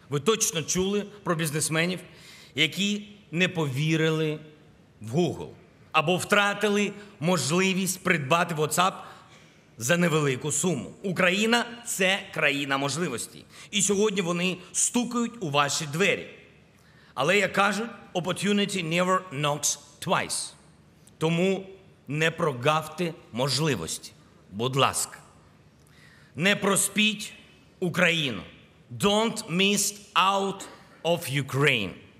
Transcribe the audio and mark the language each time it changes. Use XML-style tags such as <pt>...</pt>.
<uk>Ви точно чули про бізнесменів, які не повірили в Google. або втратили можливість придбати WhatsApp за невелику суму. Україна – це країна можливості. І сьогодні вони стукають у ваші двері. Але, як кажуть,</uk> <en>opportunity never knocks twice.</en> <uk>Тому не прогавте можливості. Будь ласка. Не проспіть Україну.</uk> <en>Don't miss out of Ukraine.</en>